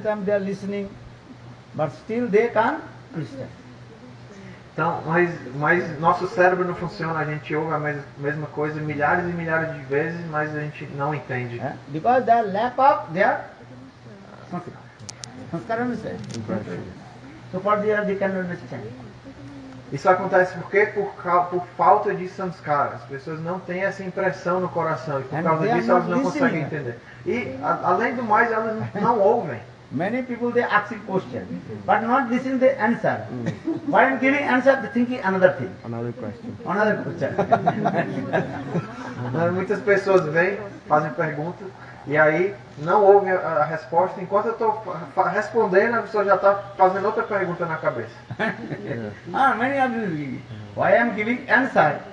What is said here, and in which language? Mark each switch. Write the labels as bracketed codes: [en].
[en] Time they are listening, but still they can't understand. [pt] Então, mas nosso cérebro não funciona. A gente ouve a mesma coisa milhares e milhares de vezes, mas a gente não entende. [en] Because they lap up their... [pt] Sanskara não sei. Impressão. [en] So for the other, they cannot understand. [pt] Isso acontece por quê? Por falta de sanskara. As pessoas não têm essa impressão no coração. E por causa disso, elas não conseguem entender. E, além do mais, elas não ouvem. [en] Many people, they ask a question, but not listening the answer. Mm. While giving answer, they thinking another thing. Another question. Another question. [pt] Mas muitas pessoas vêm, fazem pergunta, e aí não ouvem a resposta. Enquanto eu estou respondendo, a pessoa já está fazendo outra pergunta na cabeça. [en] Yeah. Many of you, why I am giving answer?